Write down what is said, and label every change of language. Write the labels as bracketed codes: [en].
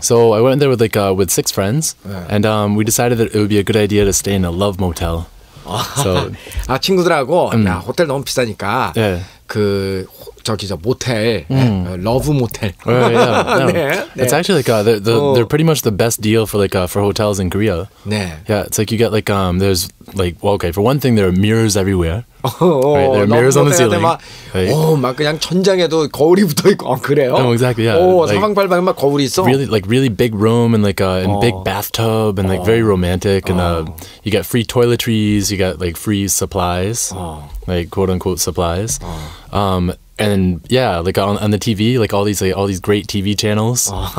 [en] So I went there with like with six friends, 네. and we decided that it would be a good idea to stay in a love motel. [ko] So, 아 친구들하고 야 호텔 너무 비싸니까 그 저기 저 모텔 러브 모텔. [en] It's actually like they're pretty much the best deal for like for hotels in Korea. [ko] 네. [en] Yeah, it's like you get like there's like well okay for one thing there are mirrors everywhere. Right, there are mirrors on the ceiling. [ko] 막, 오, 막 그냥 천장에도 거울이 붙어 있고 어, 그래요? [en] No, exactly. Yeah. [ko] 오, 사방팔방에 막 거울이 있어. [en] Really, like really big room and like and big bathtub and like very romantic and you get free toiletries, you get like free supplies, like quote unquote supplies. And yeah, like on the TV, like all these great TV channels.